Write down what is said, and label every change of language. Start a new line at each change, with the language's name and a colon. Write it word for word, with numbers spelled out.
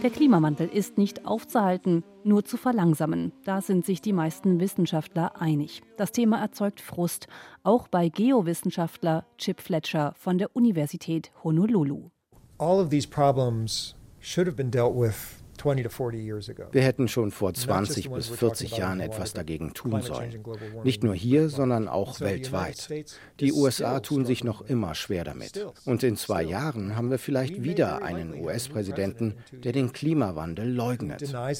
German: Der Klimawandel ist nicht aufzuhalten, nur zu verlangsamen. Da sind sich die meisten Wissenschaftler einig. Das Thema erzeugt Frust, auch bei Geowissenschaftler Chip Fletcher von der Universität Honolulu.
English: All of these problems should have been dealt with.
German: Wir hätten schon vor zwanzig bis vierzig Jahren etwas dagegen tun sollen. Nicht nur hier, sondern auch weltweit. Die U S A tun sich noch immer schwer damit. Und in zwei Jahren haben wir vielleicht wieder einen U S-Präsidenten, der den Klimawandel leugnet.